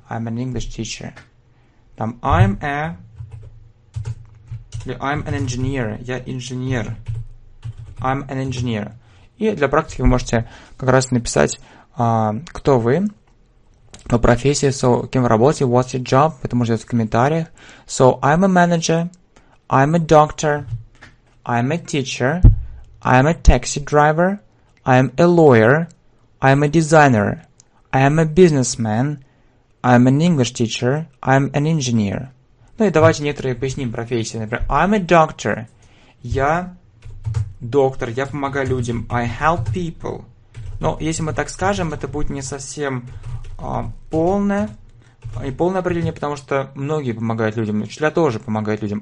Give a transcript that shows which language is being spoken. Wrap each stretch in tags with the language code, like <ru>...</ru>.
<en>I'm an English teacher.</en> <ru>Там</ru> <en>I'm a... Или I'm an engineer.</en> <ru>Я инженер.</ru> <en>I'm an engineer.</en> <ru>И для практики вы можете как раз написать, кто вы, по профессии, so, кем вы работаете,</ru> <en>what's your job,</en> <ru>это можно сделать в комментариях.</ru> <en>So, I'm a manager. I'm a doctor. I'm a teacher, I'm a taxi driver, I'm a lawyer, I'm a designer, I'm a businessman, I'm an English teacher, I'm an engineer.</en> <ru>Ну и давайте некоторые поясним профессии. Например,</ru> <en>I'm a doctor.</en> <ru>Я доктор, я помогаю людям.</ru> <en>I help people.</en> <ru>Но если мы так скажем, это будет не совсем полное, и полное определение, потому что многие помогают людям, учителя тоже помогают людям.</ru>